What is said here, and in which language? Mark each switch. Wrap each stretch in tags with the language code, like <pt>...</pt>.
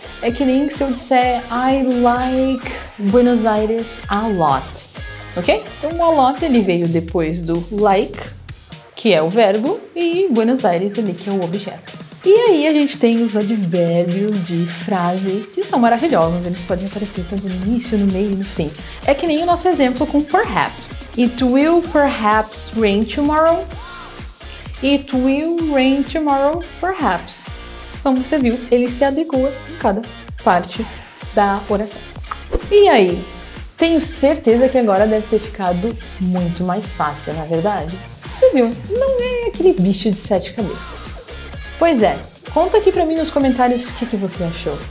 <pt>É que nem se eu disser</pt> <en>I like Buenos Aires a lot.</en> <pt>Ok? Então, a lot, ele veio depois do like, ok? que é o verbo, e Buenos Aires ali, que é o objeto. E aí a gente tem os advérbios de frase, que são maravilhosos. Eles podem aparecer tanto no início, no meio e no fim. É que nem o nosso exemplo com perhaps.</pt> <en>It will perhaps rain tomorrow. It will rain tomorrow, perhaps.</en> <pt>Como você viu, ele se adequa em cada parte da oração. E aí? Tenho certeza que agora deve ter ficado muito mais fácil, não é verdade? Você viu? Não é aquele bicho de sete cabeças. Pois é, conta aqui pra mim nos comentários o que, que você achou.</pt>